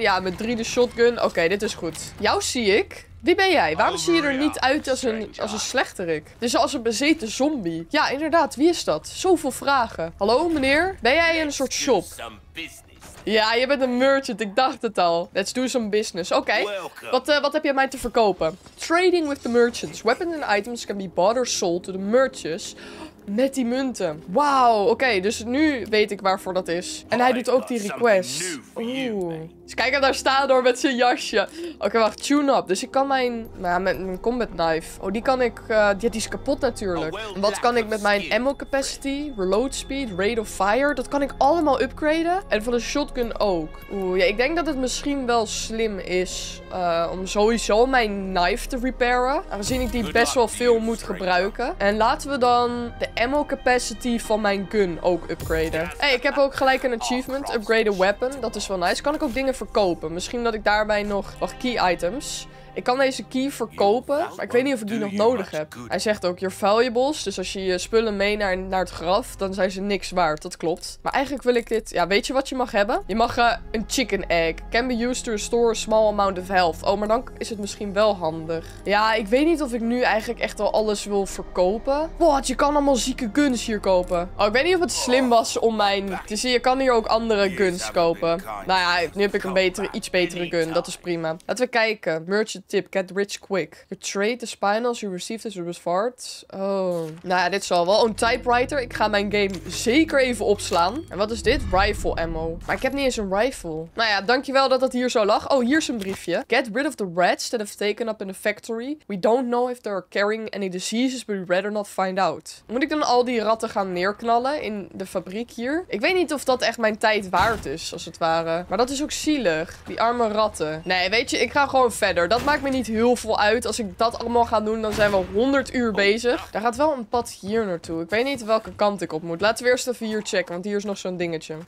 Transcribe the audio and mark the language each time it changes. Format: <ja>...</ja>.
<nl>Ja, met 3 de shotgun. Oké, dit is goed. Jou zie ik. Wie ben jij? Waarom zie je er niet uit als een slechterik? Dus als een bezeten zombie. Ja, inderdaad. Wie is dat? Zoveel vragen. Hallo, meneer? Ben jij in een soort shop? Ja, je bent een merchant. Ik dacht het al.</nl> <en>Let's do some business.</en> <nl>Oké. Wat heb je mij te verkopen?</nl> <en>Trading with the merchants. Weapons and items can be bought or sold to the merchants.</en> <nl>Met die munten. Wauw. Oké, dus nu weet ik waarvoor dat is. En hij doet ook die request. Dus kijk hem daar staan door met zijn jasje. Oké, wacht. Tune up. Dus ik kan mijn... Nou ja, met mijn combat knife. Oh, die kan ik... die is kapot natuurlijk. Wat kan ik met mijn ammo capacity? Reload speed? Rate of fire? Dat kan ik allemaal upgraden. En van de shotgun ook. Oeh, ja, ik denk dat het misschien wel slim is... om sowieso mijn knife te repairen. Aangezien ik die best wel veel moet gebruiken. En laten we dan... ammo capacity van mijn gun ook upgraden. Hé, ik heb ook gelijk een achievement.</nl> <en>Upgrade a weapon.</en> <nl>Dat is wel nice. Kan ik ook dingen verkopen? Misschien dat ik daarbij nog... Wacht, key items. Ik kan deze key verkopen, maar ik weet niet of ik die nog nodig heb. Hij zegt ook,</nl> <en>your valuables.</en> <nl>Dus als je je spullen mee naar het graf, dan zijn ze niks waard. Dat klopt. Maar eigenlijk wil ik dit... Ja, weet je wat je mag hebben? Je mag een chicken egg.</nl> <en>Can be used to restore a small amount of health.</en> <nl>Oh, maar dan is het misschien wel handig. Ja, ik weet niet of ik nu eigenlijk echt al alles wil verkopen. Wat? Je kan allemaal zieke guns hier kopen. Oh, ik weet niet of het slim was om mijn... Te zien, je kan hier ook andere guns kopen. Nou ja, nu heb ik een iets betere gun. Dat is prima. Laten we kijken. Merchant.</nl> <en>Tip, get rich quick. Your trade, the spinals you received as a reward.</en> <nl>Oh. Nou ja, dit zal wel. Een typewriter. Ik ga mijn game zeker even opslaan. En wat is dit? Rifle ammo. Maar ik heb niet eens een rifle. Nou ja, dankjewel dat hier zo lag. Oh, hier is een briefje.</nl> <en>Get rid of the rats that have taken up in the factory. We don't know if they're carrying any diseases, but we'd rather not find out.</en> <nl>Moet ik dan al die ratten gaan neerknallen in de fabriek hier? Ik weet niet of dat echt mijn tijd waard is, als het ware. Maar dat is ook zielig. Die arme ratten. Nee, weet je, ik ga gewoon verder. Dat maakt me niet heel veel uit. Als ik dat allemaal ga doen, dan zijn we 100 uur bezig. Daar gaat wel een pad hier naartoe. Ik weet niet welke kant ik op moet. Laten we eerst even hier checken, want hier is nog zo'n dingetje.</nl>